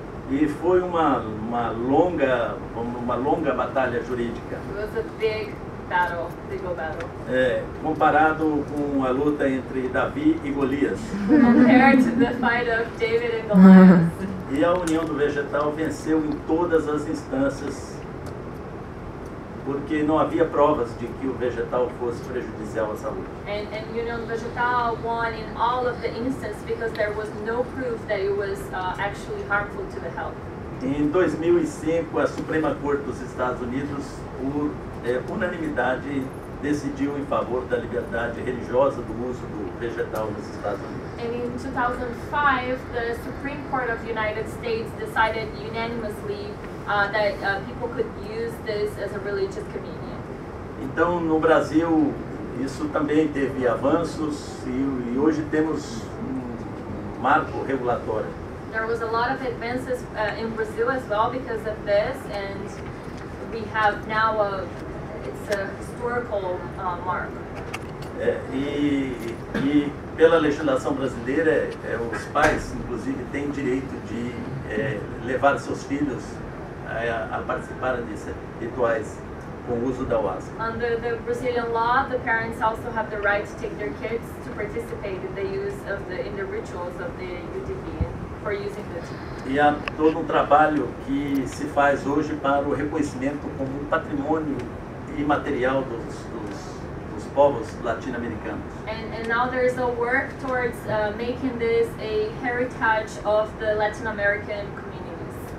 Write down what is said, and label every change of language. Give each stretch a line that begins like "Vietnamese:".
Portuguese: E foi uma longa batalha jurídica.
English: It was a big battle, legal battle.
Portuguese: É, comparado com a luta entre Davi e Golias.
English: Compared to the fight of David and Goliath.
Portuguese: E a União do Vegetal venceu em todas as instâncias, porque não havia provas de que o vegetal fosse prejudicial à saúde.
English: And Union Vegetal won in all of the instances because there was no proof that it was actually harmful to the health.
Portuguese: Em 2005, a Suprema Corte dos Estados Unidos, por unanimidade, decidiu em favor da liberdade religiosa do uso do vegetal nos Estados Unidos.
English: And in 2005, the Supreme Court of the United States decided unanimously that people could use this as a religious communion.
Portuguese: Então, no Brasil, isso também teve avanços e hoje temos um marco regulatório.
English: There was a lot of advances in Brazil as well because of this, and we have now it's a historical mark.
Portuguese: E pela legislação brasileira, os pais, inclusive, têm direito de levar seus filhos a participar desses rituais com o uso da ayahuasca.
English: Under the Brazilian law, the parents also have the right to take their kids to participate in the use of the rituals of the UTP for using the tea.
Portuguese: E há todo um trabalho que se faz hoje para o reconhecimento como um patrimônio imaterial dos povos latino-americanos.
English: And now there is a work towards making this a heritage of the Latin American communities.